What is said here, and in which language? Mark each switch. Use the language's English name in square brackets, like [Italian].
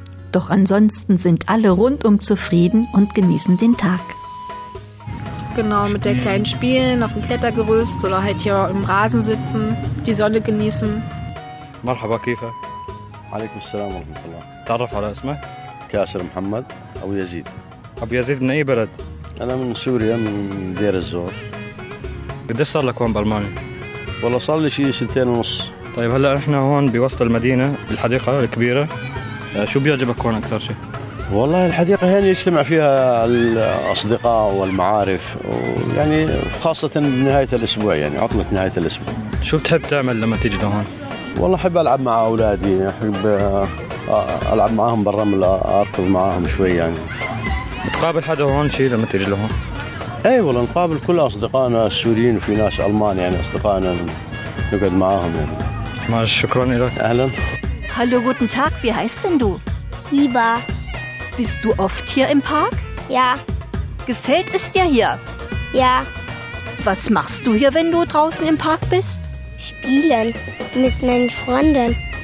[German] Doch ansonsten sind alle rundum zufrieden und genießen den Tag. Genau, mit der Kleinen spielen, auf dem Klettergerüst oder halt hier im Rasen sitzen, die Sonne genießen. [Arabic] مرحبا كيفك؟ عليكم السلام ورحمة الله. تعرف على اسمك؟ كاسر محمد أبو يزيد. أبو يزيد من أي بلد؟ أنا من سوريا من دير الزور. قديش صار لك هون بألمانيا؟ والله صار لي شي سنتين ونص. طيب هلا احنا هون بوسط المدينة بالحديقة الكبيرة، شو بيعجبك هون أكثر شيء؟ والله الحديقة هنا يجتمع فيها الأصدقاء والمعارف، ويعني خاصة بنهاية الأسبوع، يعني عطلة نهاية الأسبوع. شو بتحب تعمل لما تيجي لهون؟ والله أحب ألعب مع أولادي، أحب ألعب معهم بالرملة، أركض معهم شوي. يعني بتقابل حدا هون شيء لما تيجي لهون؟ أي والله نقابل كل أصدقائنا السوريين، وفي ناس ألمان يعني أصدقائنا نقعد معهم يعني. ماشي شكراً لك. أهلاً. [German] Hallo guten Tag, wie heißt denn du? Hiba. Bist du oft hier im Park? Ja. Gefällt es dir hier? Ja. Was machst du hier, wenn du draußen im Park bist? Spielen mit meinen Freunden.